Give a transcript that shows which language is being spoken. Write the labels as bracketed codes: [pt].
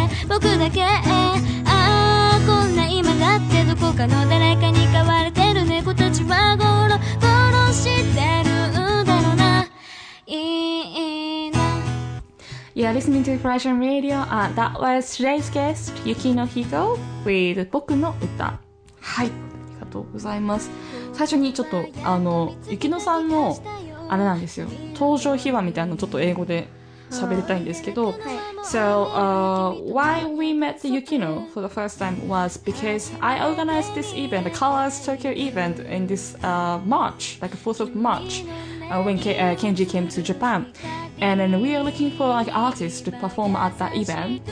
[ja] ああ、こんな今だってどこかの誰かに飼われてる猫たちはゴロゴロしてるんだろうな。いいな。 [en] You're listening to Fresh on Radio. That was today's guest, Yukino Higo with 僕の歌。 [ja] はい、ありがとうございます。最初にちょっとYukino さんのあれなんですよ、登場秘話みたいなのちょっと英語で喋りたいんですけど、はい、 [en] So, why we met Yukino for the first time was because I organized this event, the Colors Tokyo event, in this March, like 4th of March, when Kenji came to Japan. And then we are looking for like artists to perform at that event.